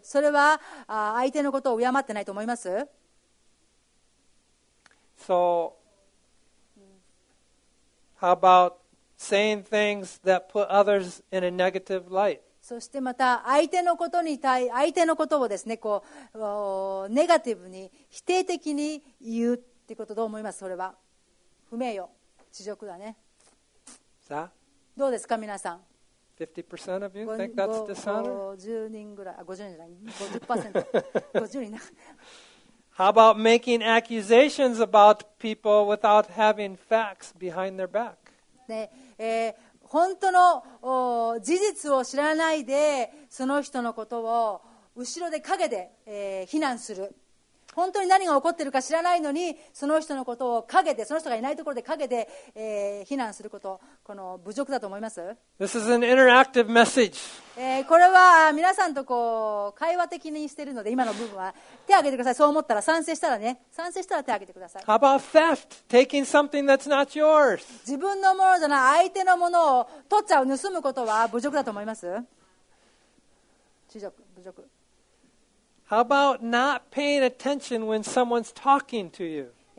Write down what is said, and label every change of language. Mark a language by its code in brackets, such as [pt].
[ja] それは相手のことを敬ってないと思います？ [en] So, how about saying things that put others in a negative light? [ja] そしてまた相手のことに対、相手のことをですね、こうネガティブに否定的に言うってことどう思います？それは不名誉、恥辱だね。さあ、どうですか皆さん？ [en] 50% of you think that's dishonor? [ja] 50人ぐらい、あ、50人じゃない、50%、 50人。 [en] How about making accusations about people without having facts behind their back? [ja] ね、本当の事実を知らないでその人のことを後ろで陰で、非難する。本当に何が起こってるか知らないのにその人のことを陰で、その人がいないところで陰で、非難すること、この侮辱だと思います？ [en] This is an interactive message. [ja] これは皆さんとこう会話的にしているので、今の部分は手を挙げてください。そう思ったら、賛成したらね、賛成したら手を挙げてください。 [en] How about theft? Taking something that's not yours. [ja] 自分のものじゃない相手のものを取っちゃう、盗むことは侮辱だと思います？侮辱、侮辱。 [en] How about not paying attention when someone's talking to you?